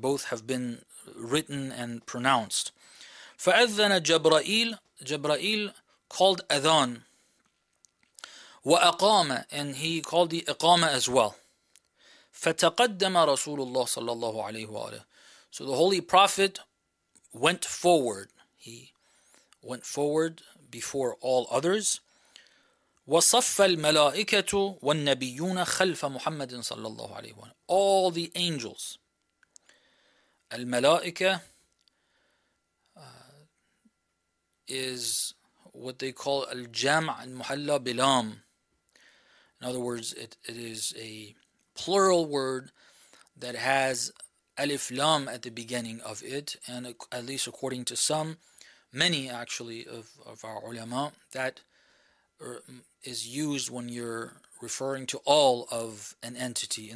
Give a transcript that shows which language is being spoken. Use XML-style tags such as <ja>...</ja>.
<en>Both have been written and pronounced.</en> <ar>فأذن جبرائيل,</ar> <en>جبرائيل called أذان,</en> <ar>وأقام,</ar> <en>and he called the إقامة as well.</en> <ar>فتقدم رسول الله صلى الله عليه وآله.</ar> <en>So the Holy Prophet went forward. He went forward before all others.</en> <ar>وصف الملائكة والنبيون خلف محمد صلى الله عليه وآله.</ar> <en>All the angels, الملائكة, is what they call al-jam' al-muhalla bilam. In other words, it is a plural word that has alif lam at the beginning of it, and at least according to some, many actually of our ulama, that is used when you're referring to all of an entity.</en>